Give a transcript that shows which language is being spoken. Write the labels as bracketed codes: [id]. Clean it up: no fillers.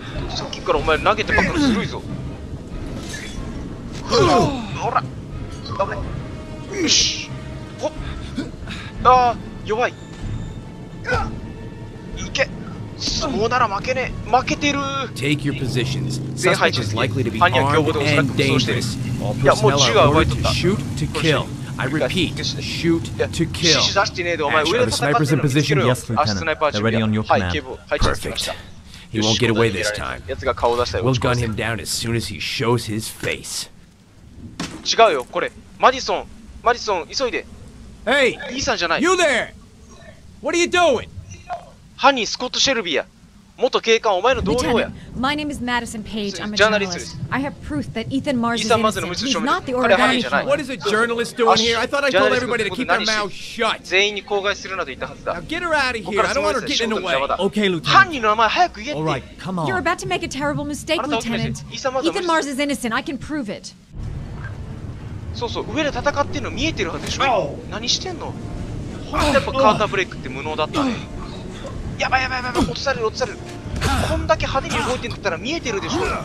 [ja] さっきからお前投げてばっかりするぞ。ほら。危ね。よし。ほっ。ああ、弱い。いけ。相撲なら負けねえ。負けてる。 [en] Take your positions. Suspect is likely to be armed and dangerous. All personnel are ordered to shoot to kill. I repeat, shoot to kill. Actually, the sniper's in position. Yes, Lieutenant. They're ready on your command. Perfect. He won't get away this time. We'll gun him down as soon as he shows his face. [ja] 違うよ、これ。マディソン、急いで。 [en] Hey! [ja] イーサンじゃない。 [en] You there! What are you doing? [ja] 犯人スコット・シェルビーや。元警官、お前の同僚や。 [en] My name is Madison Page. I'm a journalist. I have proof that Ethan Mars is innocent. He's not the origami. What is a journalist doing here? I thought I told everybody to keep their mouth shut. [ja] 全員に口外するなと言ったはずだ。 [en] Now get her out of here. I don't want her getting in the way. Okay, Lieutenant. [ja] 犯人の名前早く言えって。 [en] All right, come on. You're about to make a terrible mistake, Lieutenant. Ethan Mars is innocent. I can prove it. [ja] そうそう、上で戦ってるの見えてるはずでしょ。何してんの？やっぱカーターブレイクって無能だったね。やばい、落とされる。こんだけ派手に動いてんだったら見えてるでしょ。